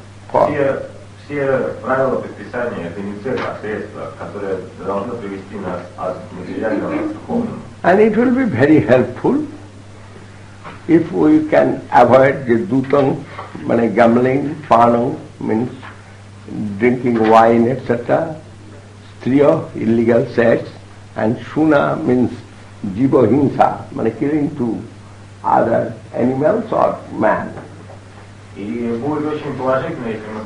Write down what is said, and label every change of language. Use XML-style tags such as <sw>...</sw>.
<ru>Все правила предписания это не цель, а средство, которое должно привести нас от материального к духовному.</ru> <en>And it will be very helpful if we can avoid the dutang, meaning gambling, panang, means drinking wine, etc. Striya, illegal sex, and shuna means jiva hinsa, meaning killing to other animals or man.</en> <ru>И будет очень положительно, если мы</ru>